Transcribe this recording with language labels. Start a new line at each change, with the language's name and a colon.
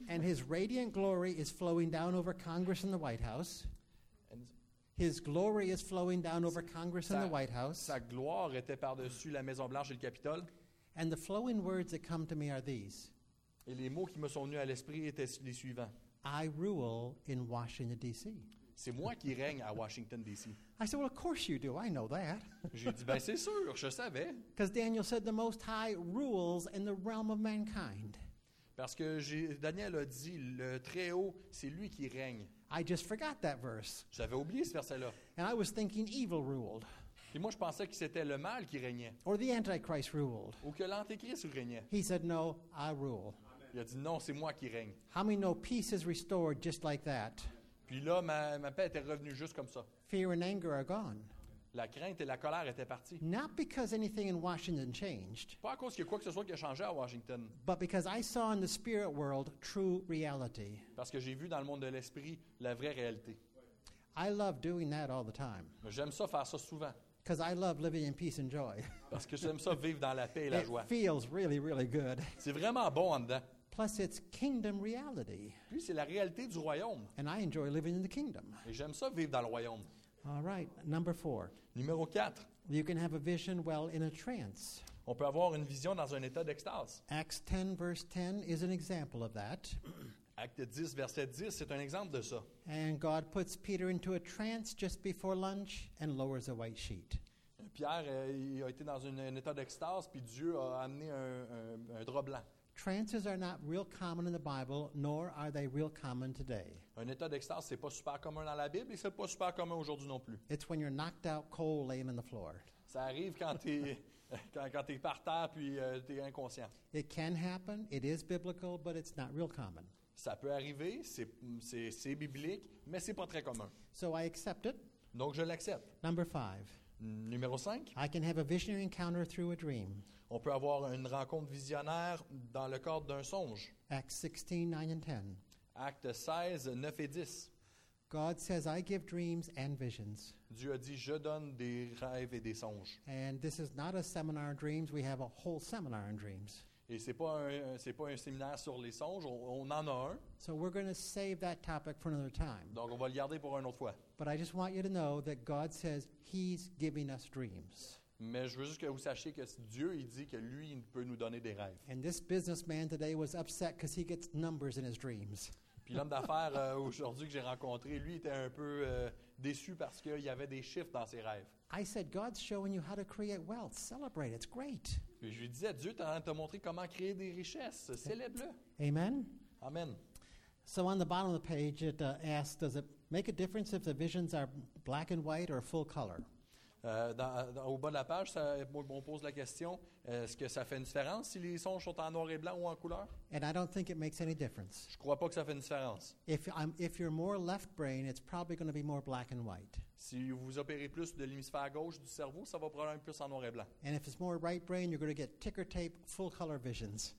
English: And his radiant glory is flowing down over Congress and the White House. His glory is flowing down over Congress and the White House.
French: Sa gloire était par-dessus la Maison Blanche et le Capitole.
English: And the flowing words that come to me are these.
French: Et les mots qui me sont venus à l'esprit étaient les suivants.
English: I rule in Washington, D.C.
French: C'est moi qui règne à Washington, D.C.
English: I said, well, of course you do. I know that.
French: J'ai dit, ben c'est sûr, je savais.
English: Because Daniel said the Most High rules in the realm of mankind.
French: Parce que Daniel a dit, le Très-Haut, c'est lui qui règne.
English: I just forgot that verse.
French: J'avais oublié ce verset-là.
English: And I was thinking evil ruled.
French: Et moi, je pensais que c'était le mal qui régnait.
English: Or the Antichrist ruled.
French: Ou que l'Antéchrist régnait.
English: He said, no, I rule.
French: Il a dit, non, c'est moi qui règne.
English: How many know peace is restored just like that?
French: Puis là, ma paix était revenue juste comme ça.
English: Fear and anger are gone.
French: La crainte et la colère étaient parties.
English: Not because anything in Washington changed.
French: Pas à cause qu'il y a quoi que ce soit qui a changé à Washington.
English: But because I saw in the spirit world true reality.
French: Parce que j'ai vu dans le monde de l'esprit la vraie réalité.
English: I love doing that all the time.
French: J'aime ça faire ça souvent.
English: Because I love living in peace and joy.
French: Parce que j'aime ça vivre dans la paix et la joie.
English: It feels really, really good.
French: C'est vraiment bon en dedans.
English: Plus, it's kingdom reality.
French: Puis c'est la réalité du royaume.
English: And I enjoy living in the kingdom.
French: Et j'aime ça vivre dans le royaume.
English: All right, number four.
French: Numéro 4.
English: You can have a vision while in a trance.
French: On peut avoir une vision dans un état d'extase.
English: Acts 10, verse 10 is an example of that.
French: Acte 10, verset 10, c'est un exemple de ça.
English: And God puts Peter into a trance just before lunch and lowers a white sheet.
French: Pierre il a été dans un état d'extase, puis Dieu a amené un drap blanc.
English: Trances are not real common in the Bible, nor are they real common today.
French: Un état d'extase, c'est pas super commun dans la Bible, et c'est pas super commun aujourd'hui non plus.
English: It's when you're knocked out cold, laying on the floor.
French: Ça arrive quand t'es par terre puis t'es inconscient.
English: It can happen. It is biblical, but it's not real common.
French: Ça peut arriver. C'est biblique, mais c'est pas très commun.
English: So I accept it.
French: Donc je l'accepte.
English: Number 5.
French: Numéro 5.
English: I can have a visionary encounter through a dream.
French: On peut avoir une rencontre visionnaire dans le cadre d'un songe.
English: Acts 16, 9 and 10.
French: Acte 16, 9 et 10.
English: God says, I give dreams and visions.
French: Dieu a dit, je donne des rêves et des songes.
English: And this is not a seminar on dreams, we have a whole seminar on dreams.
French: Et c'est pas un séminaire sur les songes, on en a un.
English: So we're going to save that topic for another time.
French: Donc on va le garder pour une autre fois.
English: But I just want you to know that God says he's giving us dreams.
French: Mais je veux juste que vous sachiez que Dieu, il dit que lui, il peut nous donner des rêves.
English: And this businessman today was upset because he gets numbers in his dreams.
French: Puis l'homme d'affaires aujourd'hui que j'ai rencontré, lui, était un peu déçu parce qu'il y avait des chiffres dans ses rêves.
English: I said, God's showing you how to create wealth. Celebrate, it's great.
French: Puis je lui disais, Dieu t'a montré comment créer des richesses. Célèbre-le.
English: Amen.
French: Amen.
English: So on the bottom of the page, it asks, does it make a difference if the visions are black and white or full color?
French: Au bas de la page, on pose la question, est-ce que ça fait une différence si les songes sont en noir et blanc ou en couleur?
English: And I don't think it makes any difference.
French: Je ne crois pas que ça fait une différence.
English: If you're more left brain, it's probably going to be more black and white.
French: Si vous opérez plus de l'hémisphère gauche du cerveau, ça va probablement être plus en noir et blanc.
English: And if it's more right brain, you're going to get ticker tape, full color visions.